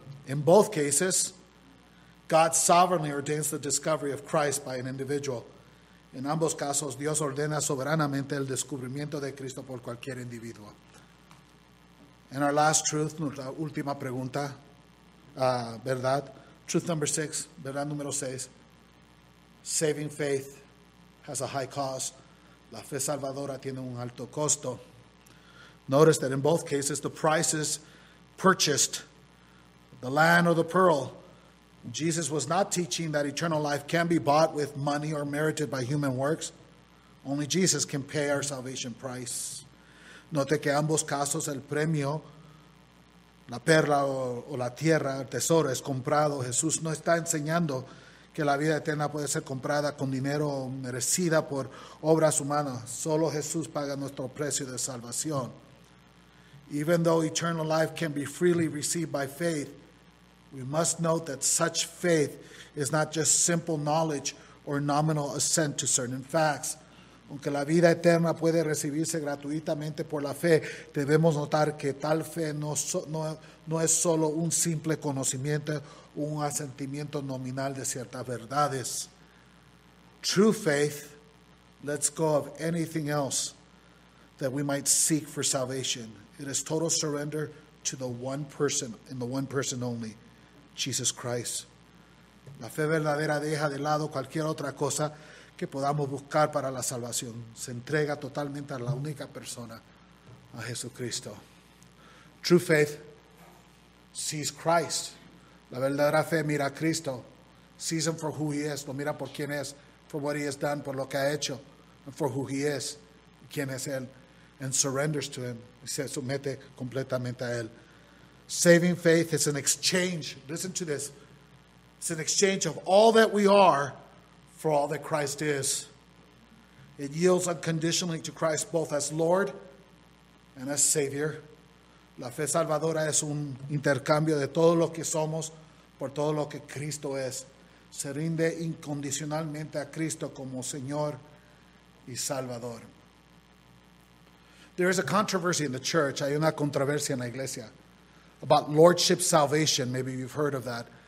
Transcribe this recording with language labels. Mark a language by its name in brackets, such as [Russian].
[English] In both cases, God sovereignly ordains the discovery of Christ by an individual. [Spanish] En ambos casos, Dios ordena soberanamente el descubrimiento de Cristo por cualquier individuo. [English] And our last truth, [Spanish] nuestra última pregunta, verdad, [English] truth number six, [Spanish] verdad número seis, [English] saving faith has a high cost. [Spanish] La fe salvadora tiene un alto costo. [English] Notice that in both cases, the prices purchased, the land or the pearl, Jesus was not teaching that eternal life can be bought with money or merited by human works. Only Jesus can pay our salvation price. [Spanish] Note que ambos casos el premio, la perla o la tierra, el tesoro, es comprado. Jesús no está enseñando que la vida eterna puede ser comprada con dinero merecida por obras humanas. Solo Jesús paga nuestro precio de salvación. [English] Even though eternal life can be freely received by faith, we must note that such faith is not just simple knowledge or nominal assent to certain facts. [Spanish] Aunque la vida eterna puede recibirse gratuitamente por la fe, debemos notar que tal fe no es solo un simple conocimiento o un asentimiento nominal de ciertas verdades. [English] True faith lets go of anything else that we might seek for salvation. It is total surrender to the one person and the one person only, Jesus Christ. [Spanish] La fe verdadera deja de lado cualquier otra cosa que podamos buscar para la salvación. Se entrega totalmente a la única persona, a Jesucristo. [English] True faith sees Christ. [Spanish] La verdadera fe mira a Cristo. [English] Sees him for who he is. [Spanish] Lo mira por quién es. [English] For what he has done, [Spanish] por lo que ha hecho. [English] And for who he is. [Spanish] Quién es él. [English] And surrenders to him. [Spanish] Y se somete completamente a él. [English] Saving faith is an exchange. Listen to this. It's an exchange of all that we are for all that Christ is. It yields unconditionally to Christ both as Lord and as Savior. [Spanish] La fe salvadora es un intercambio de todo lo que somos por todo lo que Cristo es. Se rinde incondicionalmente a Cristo como Señor y Salvador. [English] There is a controversy in the church, [Spanish] hay una controversia en la iglesia, [English] about lordship salvation. Maybe you've heard of that.